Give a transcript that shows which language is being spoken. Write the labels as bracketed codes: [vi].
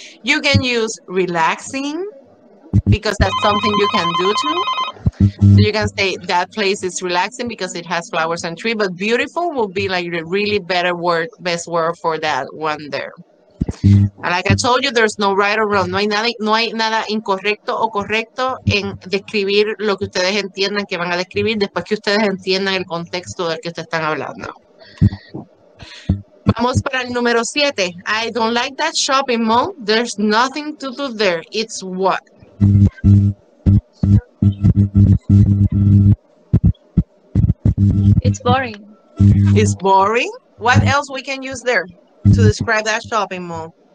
[en] You can use relaxing. Because that's something you can do too. So you can say that place is relaxing because it has flowers and trees, but beautiful will be like the really better word, best word for that one there. And like I told you, there's no right or wrong. [es] No hay nada incorrecto o correcto en describir lo que ustedes entiendan que van a describir después que ustedes entiendan el contexto del que ustedes están hablando. Vamos para el número 7. [en] I don't like that shopping mall. There's nothing to do there. It's what? It's boring. It's boring? What else we can use there to describe that shopping mall?